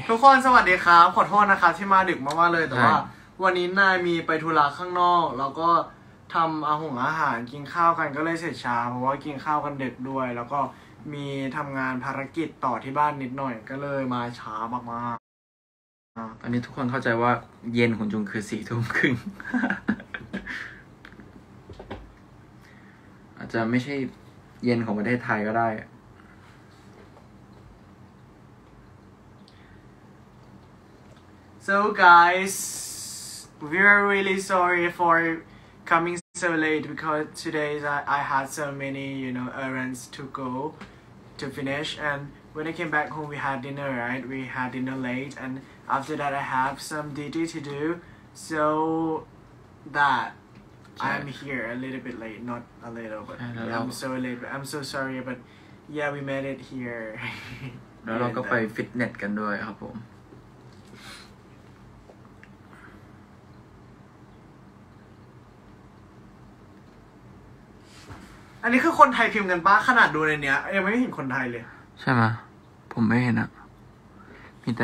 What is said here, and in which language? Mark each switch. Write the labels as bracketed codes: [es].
[th] ทุกคนสวัสดีครับขอโทษนะครับที่มาดึกมากๆเลยแต่ว่าวันนี้นายมีไปธุระข้างนอกแล้วก็ทำอาหารกินข้าวกันก็เลยเสร็จช้าเพราะว่ากินข้าวกันดึกด้วยแล้วก็มีทำงานภารกิจต่อที่บ้านนิดหน่อยก็เลยมาช้ามากๆ ตอนนี้ทุกคนเข้าใจว่าเย็นของจุงคือ4 ทุ่มครึ่งอาจจะไม่ใช่เย็นของประเทศไทยก็ได้ [en] So guys we are really sorry for coming so late because today I had so many you know errands to go to finish and when I came back home we had dinner right we had dinner late and after that I have some duty to do so thatI'm here a little bit late, not a little, but yeah, I'm so late. But I'm so sorry, but yeah, we made it here. [th] แล้วเราก็ไปฟิตเนสกันด้วยครับผม อันนี้คือคนไทยพิมพ์กันป้าขนาดดูในเนี้ยยังไม่เห็นคนไทยเลย ใช่ไหมผมไม่เห็นอ่ะมีแต